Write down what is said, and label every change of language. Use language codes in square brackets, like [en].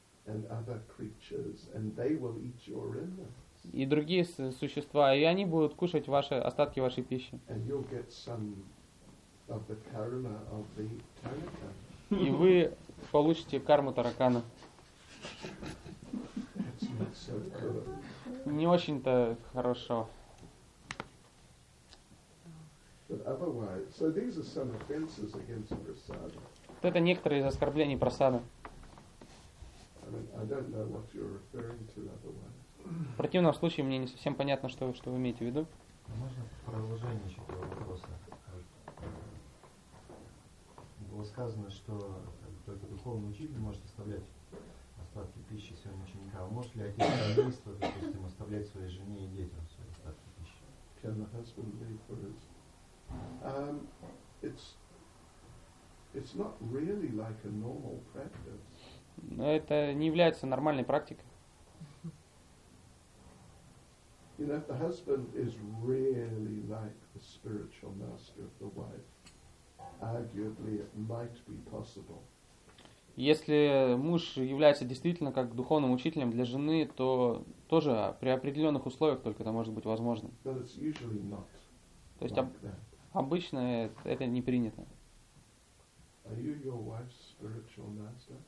[en] and other creatures, and they will eat your remnants. [ru] И другие существа, и они будут кушать ваши остатки вашей пищи. [en] And you'll get some of the karma of the tarakan. [ru] И вы получите карму таракана. [en] That's not so good. [ru] Не очень-то хорошо. [en] But otherwise, so these are some offenses against prasada. [ru] Вот это некоторые из оскорблений прасада. [en] I don't know what you're referring to otherwise. [ru] В противном случае мне не совсем понятно, что, что вы имеете в виду. Можно продолжение еще этого вопроса? Было сказано, что только духовный учитель может оставлять остатки пищи своим ученикам. Может ли отец семейства, допустим, оставлять своей жене и детям свои остатки пищи? [en] Can the husband leave for his... It's not really like a normal practice. [ru] Но это не является нормальной практикой. [en] You know, if the husband is really like the spiritual master of the wife, arguably it might be possible. [ru] Если муж является действительно как духовным учителем для жены, то тоже при определенных условиях только это может быть возможно. [en] But it's usually not. [ru] То есть обычно это не принято. [en] Are you your wife's spiritual master?